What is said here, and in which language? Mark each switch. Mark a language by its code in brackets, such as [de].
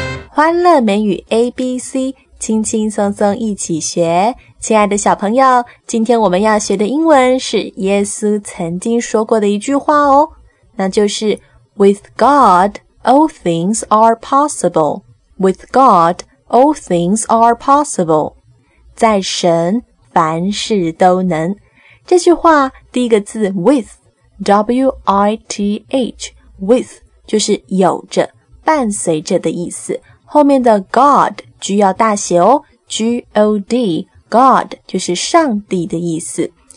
[zh] 欢乐美语 ABC， 轻轻松松一起学。亲爱的小朋友，今天我们要学的英文是耶稣曾经说过的一句话哦，那就是 [en] With God, all things are possible. With God, all things are possible. [zh] 在神，凡事都能。这句话第一个字 with, W-I-T-H, with, 就是有着，伴随着的意思。后面的 God, G 要大写哦， G-O-D, God, 就是上帝的意思。